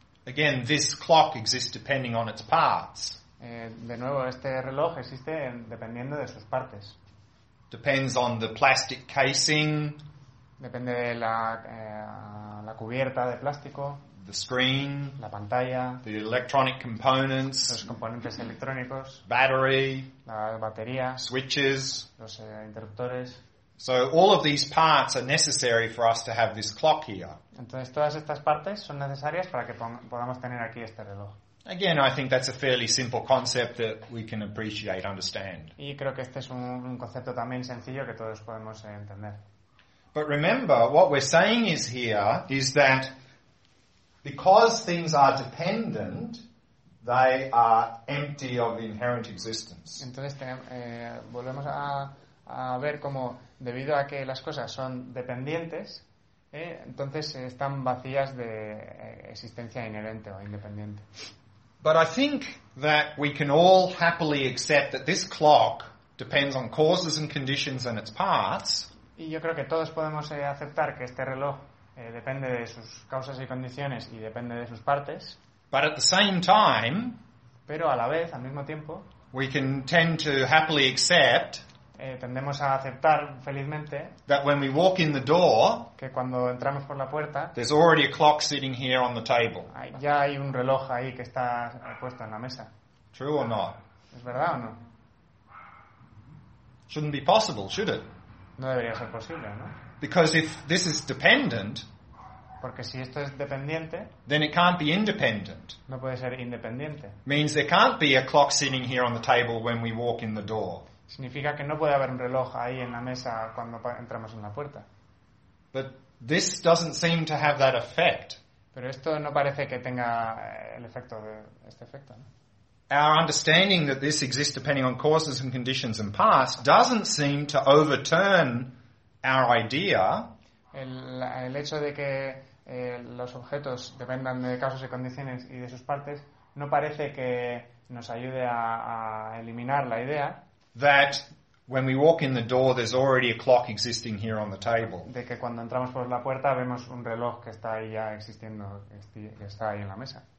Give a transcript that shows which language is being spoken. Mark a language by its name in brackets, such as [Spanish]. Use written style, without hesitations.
[English] Again, this clock exists depending on its parts. [Spanish] De nuevo, este reloj existe dependiendo de sus partes. [English] Depends on the plastic casing. [Spanish] Depende de la cubierta de plástico. [English] The screen. [Spanish] La pantalla. [English] The electronic components. [Spanish] Los componentes electrónicos. [English] Battery. [Spanish] La batería. [English] Switches. [Spanish] Los interruptores. [English] So all of these parts are necessary for us to have this clock here. [Spanish] Entonces todas estas partes son necesarias para que podamos tener aquí este reloj. [English] Again, I think that's a fairly simple concept that we can appreciate, understand. [Spanish] Y creo que este es un concepto también sencillo que todos podemos entender. [English] But remember, what we're saying is here is that because things are dependent, they are empty of inherent existence. [Spanish] Entonces volvemos a ver cómo, debido a que las cosas son dependientes, entonces están vacías de existencia inherente o independiente. [English] But I think that we can all happily accept that this clock depends on causes and conditions and its parts. [Spanish] Y yo creo que todos podemos aceptar que este reloj depende de sus causas y condiciones y depende de sus partes. [English] But at the same time, [Spanish] pero a la vez, al mismo tiempo, [English] we can tend to happily accept [Spanish] tendemos a aceptar felizmente [English] that when we walk in the door, [Spanish] que cuando entramos por la puerta, [English] there's already a clock sitting here on the table. [Spanish] Ya hay un reloj ahí que está puesto en la mesa. [English] True or not? [Spanish] ¿Es verdad o no? [English] Shouldn't be possible, should it? [Spanish] No debería ser posible, ¿no? [English] Because if this is dependent, [Spanish] porque si esto es dependiente, [English] then it can't be independent. [Spanish] No puede ser independiente. [English] Means there can't be a clock sitting here on the table when we walk in the door. [Spanish] Significa que no puede haber un reloj ahí en la mesa cuando entramos en la puerta. [English] But this doesn't seem to have that effect. [Spanish] Pero esto no parece que tenga el efecto de este efecto, ¿no? [English] Our understanding that this exists depending on causes and conditions and past doesn't seem to overturn our idea. [Spanish] El hecho de que los objetos dependan de causas y condiciones y de sus partes no parece que nos ayude a eliminar la idea [English] that when we walk in the door there's already a clock existing here on the table. [Spanish] De que cuando entramos por la puerta vemos un reloj que está ahí ya existiendo, que está ahí en la mesa.